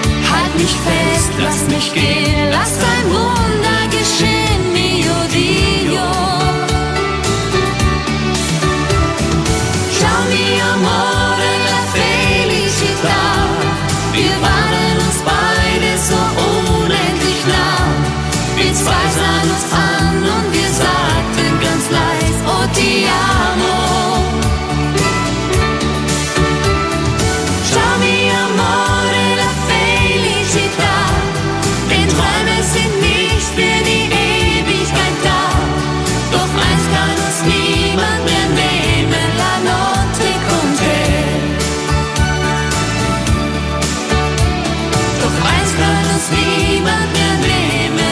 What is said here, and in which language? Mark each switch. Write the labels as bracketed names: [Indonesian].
[German] Halt mich fest, lass mich gehen. Lass ein Wunder geschehen, [Italian] mio Dio. Ciao mio amore, la felicità. [German] Wir waren uns beide so unendlich nah. Wir zwei sahen uns an und wir sagten ganz leis, [Italian] oh, ti amo. Ciao mio amore, la felicità. [German] Denn Träume sind nicht für die Ewigkeit da. Doch eins kann uns niemand mehr nehmen, [Italian] la notte con te. [German] Doch eins kann uns niemand mehr nehmen.